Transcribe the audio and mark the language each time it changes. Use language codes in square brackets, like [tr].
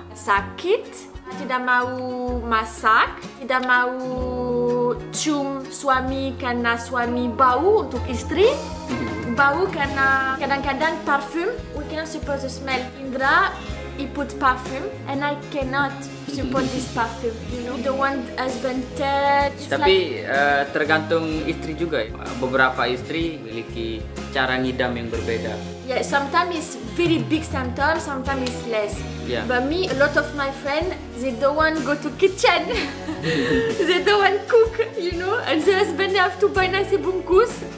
[id] sakit, tidak mau masak, tidak mau cium suami karena suami bau untuk istri, bau karena kadang-kadang parfum. [en] We cannot support the smell. Indra, he put parfum and I cannot support this parfum. You know, the one husband touch. [id] Tapi like... tergantung istri juga. Beberapa istri memiliki cara ngidam yang berbeda. [en] Yeah, sometimes it's very big symptom, sometimes it's less. Yeah. But me, a lot of my friends, they don't want go to kitchen. They don't want cook, you know. And the husband have to buy nasi bungkus.